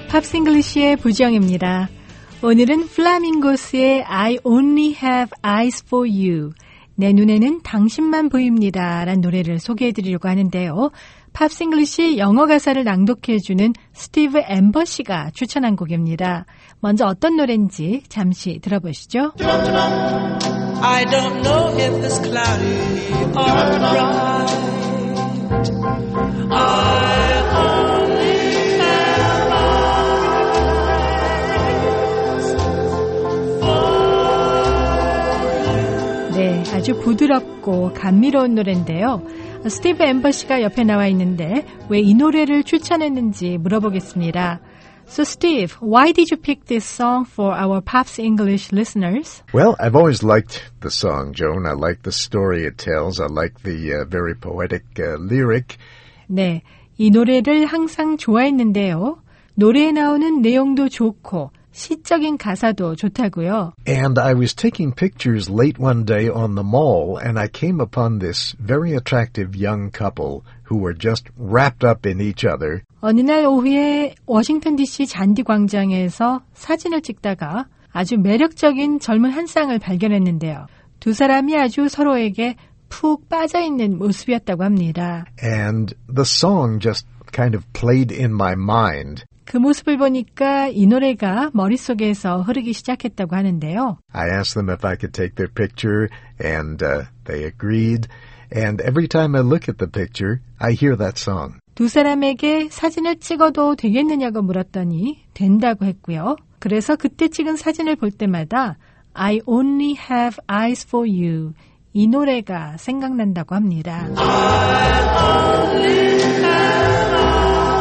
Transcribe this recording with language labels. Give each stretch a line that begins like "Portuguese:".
Korean: Pops English의 부정입니다. 오늘은 플라밍고스의 I only have eyes for you. 내 눈에는 당신만 보입니다. 라는 노래를 소개해 드리려고 하는데요. Pops English 영어 가사를 낭독해 주는 스티브 앰버 씨가 추천한 곡입니다. 먼저 어떤 노래인지 잠시 들어보시죠.
English: I don't know if it's cloudy or bright. I only have eyes for you.
Korean: 네, 아주 부드럽고 감미로운 노래인데요. 스티브 앰버 씨가 옆에 나와 있는데 왜 이 노래를 추천했는지 물어보겠습니다.
English: So Steve, why did you pick this song for our Pops English listeners? Well, I've always liked the song, Joan. I like the story it tells. I like the very poetic lyric.
Korean: 네, 이 노래를 항상 좋아했는데요. 노래에 나오는 내용도 좋고 시적인 가사도 좋다고요.
English: And I was taking pictures late one day on the mall and I came upon this very attractive young couple who were just wrapped up in each other.
Korean: 어느 날 오후에 워싱턴 DC 잔디 광장에서 사진을 찍다가 아주 매력적인 젊은 한 쌍을 발견했는데요. 두 사람이 아주 서로에게 푹 빠져 있는 모습이었다고 합니다.
English: And the song just kind of played in my mind.
Korean: 그 모습을 보니까 이 노래가 머릿속에서 흐르기 시작했다고 하는데요.
English: I asked them if I could take their picture, and they agreed. And every time I look at the picture, I hear that song.
Korean: 두 사람에게 사진을 찍어도 되겠느냐고 물었더니 된다고 했고요. 그래서 그때 찍은 사진을 볼 때마다
English: I only have eyes for you.
Korean: 이 노래가 생각난다고 합니다.
English: I only have